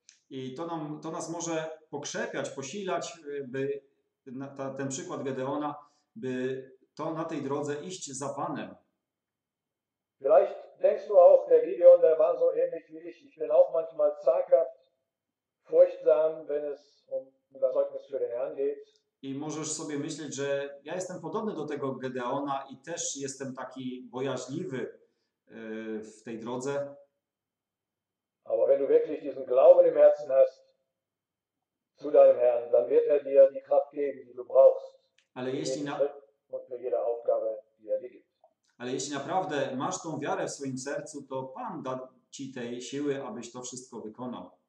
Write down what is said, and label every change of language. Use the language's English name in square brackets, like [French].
[Polish] I to nas może pokrzepiać, posilać, by ten przykład Gedeona, by to na tej drodze iść za Panem. [German] Vielleicht denkst du auch, der Gideon, der war so ähnlich wie ich. Ich bin auch manchmal zaghaft, furchtsam, wenn es um das Zeugnis für den Herrn geht. [Polish] I możesz sobie myśleć, że ja jestem podobny do tego Gedeona i też jestem taki bojaźliwy w tej drodze. [German] Aber wenn du wirklich diesen Glauben im Herzen hast zu deinem Herrn, dann wird er dir die Kraft geben, die du brauchst. [Polish] Ale jeśli na [German] jede Aufgabe, die er dir gibt. [Polish] Ale jeśli naprawdę masz tą wiarę w swoim sercu, to Pan da ci tej siły, abyś to wszystko wykonał.